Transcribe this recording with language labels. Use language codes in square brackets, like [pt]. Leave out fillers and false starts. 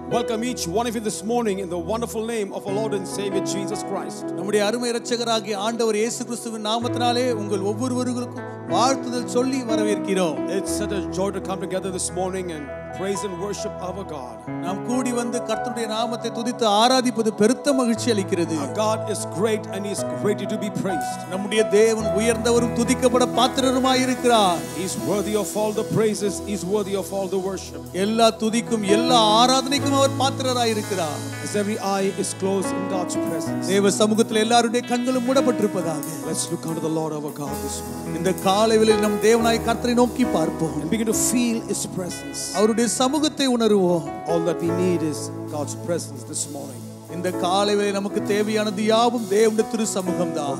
[en] Welcome each one of you this morning in the wonderful name of our Lord and Savior Jesus Christ. [ta] நம்முடைய அருமை இரட்சகராகிய ஆண்டவர் இயேசு கிறிஸ்துவின் நாமத்தினாலே உங்கள் ஒவ்வொருவருக்கும் வாழ்த்துதல் சொல்லி வரவேற்கிறோம். [en] It's such a joy to come together this morning and praise and worship our God. [ta] நாம் கூடி வந்து கர்த்தருடைய நாமத்தை துதித்து ஆராதிப்பது பெருத்த மகிழ்ச்சி அளிக்கிறது. [en] Our God is great and he is worthy to be praised. [ta] நம்முடைய தேவன் உயர்ந்தவரும் துதிக்கப்பட பாத்திரருமாய் இருக்கிறார். [en] He is worthy of all the praises, he is worthy of all the worship. [ta] எல்லா துதிக்கும் எல்லா ஆராதனைக்கும் அவர் பாத்திரராய் இருக்கிறார். [en] His every eye is closed in God's presence. [ta] தேவ சமூகத்தில் எல்லாருடைய கண்களும் மூடப்பட்டிருப்பதாக. [en] Let's look unto the Lord our God this morning. [ta] இந்த காலையில் நம் தேவனாய் கர்த்தரை நோக்கி பார்ப்போம். [en] And begin to feel his presence. [ta] அவருடைய சமூகத்தை உணருவோம். [en] All that we need is God's presence this morning. [ta] இந்த காலையில் நமக்கு தேவையானது யாவும் தேவனுடைய திருச்சமூகம் தான்.